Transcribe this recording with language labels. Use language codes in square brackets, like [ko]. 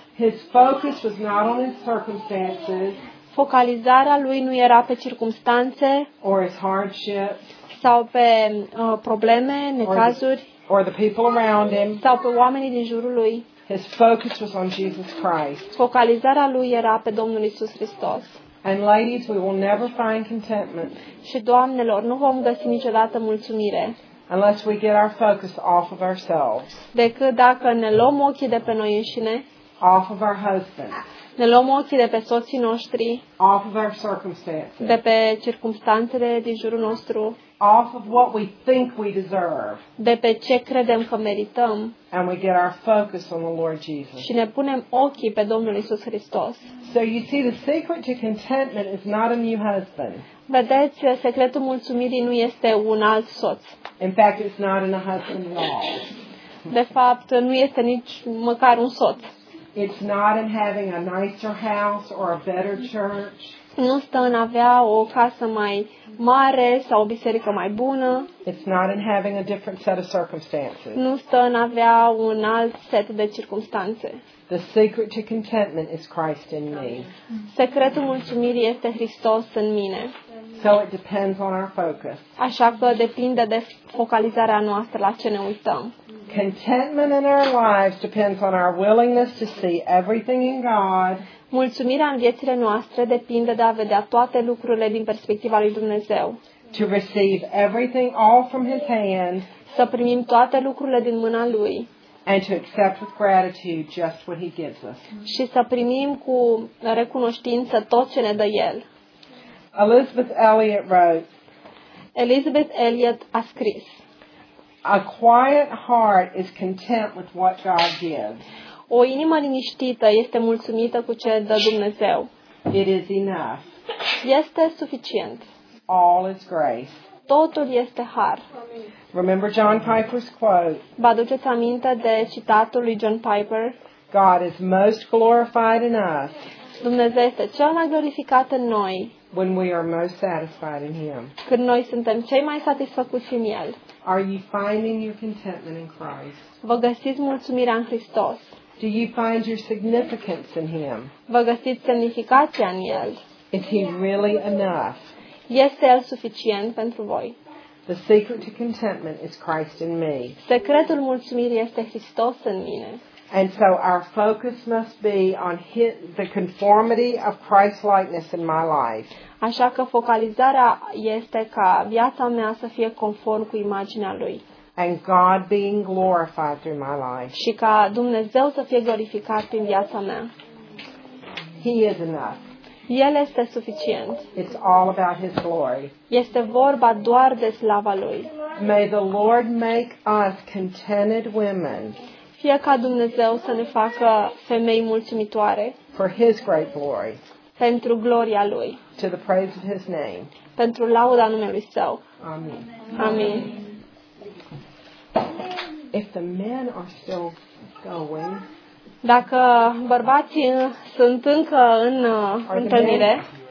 [en] His focus was not on his circumstances. [ro] Focalizarea lui nu era pe circumstanțe. [en] Or his hardships. [ro] Sau pe probleme, necazuri. [en] Or the people around him. [ro] Sau pe oamenii din jurul lui. [en] His focus was on Jesus Christ. [ro] Focalizarea lui era pe Domnul Iisus Hristos. [en] And ladies, we will never find contentment. [ro] Și doamnelor, nu vom găsi niciodată mulțumire. [en] Unless we get our focus off of ourselves. [ro] Decât dacă ne luăm ochii de pe noi înșine. [en] Off of our husband. [ro] Ne luăm ochii de pe soții noștri. [en] Off of our circumstances. [ro] De pe circumstanțele din jurul nostru. [en] Off of what we think we deserve. [ro] De pe ce credem că merităm. [en] And we get our focus on the Lord Jesus. [ro] Și ne punem ochii pe Domnul Iisus Hristos. [en] So you see, the secret to contentment is not a new husband. [ro] Vedeți, secretul mulțumirii nu este un alt soț. [en] In fact, it's not in a husband at all. [ro] De fapt, nu este nici măcar un soț. [en] It's not in having a nicer house or a better church. [ro] Nu stă în a avea o casă mai mare sau o biserică mai bună. [en] It's not in having a different set of circumstances. [ro] Nu stă în a avea un alt set de circumstanțe. [en] The secret to contentment is Christ in me. [ro] Secretul mulțumirii este Hristos în mine. [en] So it depends on our focus. [ro] Așa că depinde de focalizarea noastră la ce ne uităm. [en] Contentment in our lives depends on our willingness to see everything in God. [ro] Mulțumirea în viețile noastre depinde de a vedea toate lucrurile din perspectiva lui Dumnezeu. [en] To receive everything all from his hand. [ro] Să primim toate lucrurile din mâna lui. [en] And to accept with gratitude just what he gives us. [ro] Și să primim cu recunoștință tot ce ne dă el. [en] Elizabeth Elliot wrote. [ro] Elizabeth Elliot a scris. [en] A quiet heart is content with what God gives. [ro] O inimă liniștită este mulțumită cu ce dă Dumnezeu. [en] It is enough. [ro] Este suficient. [en] All is grace. [ro] Totul este har. [en] Remember John Piper's quote. [ro] Vă aduceți aminte de citatul lui John Piper? [en] God is most glorified in us. [ro] Dumnezeu este cel mai glorificat în noi. [en] When we are most satisfied in him. [ro] Când noi suntem cei mai satisfăcuți în el. [en] Are you finding your contentment in Christ? [ro] Vă găsiți mulțumirea în Hristos? [en] Do you find your significance in him? [ro] Vă găsiți semnificația în el? [en] Is he really enough? [ro] Este el suficient pentru voi? [en] The secret to contentment is Christ in me. [ro] Secretul mulțumirii este Hristos în mine. [en] And so our focus must be on the conformity of Christ's likeness in my life. [ro] Așa că focalizarea este ca viața mea să fie conform cu imaginea lui. [en] And God being glorified through my life. [ro] Și ca Dumnezeu să fie glorificat prin viața mea. [en] He is enough. [ro] El este suficient. [en] It's all about his glory. [ro] Este vorba doar de slava lui. [en] May the Lord make us contented women. [ro] Fie ca Dumnezeu să ne facă femei mulțumitoare. [en] For his great glory. [ro] Pentru gloria lui. [en] To the praise of his name. [ro] Pentru lauda numelui său. [en] Amen. [ro] Amen. [en] If the men are still going. [ro] Dacă bărbații sunt încă în întâlnire.